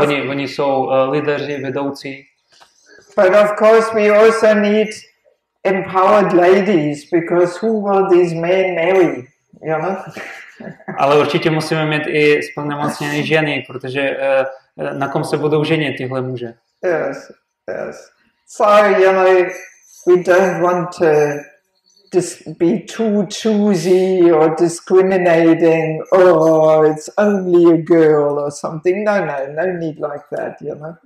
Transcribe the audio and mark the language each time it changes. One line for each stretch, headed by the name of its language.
Czech: Oni jsou lídeři, vedoucí.
English: But of course we also need empowered ladies, because who will these men marry? You know?
Czech: Ale určitě musíme mít i splnomocněné ženy, protože na kom se budou ženit tyhle muže.
English: Yes, yes. So, you know, we don't want to be too choosy or discriminating, or it's only a girl or something. No, no, no need like that, you know.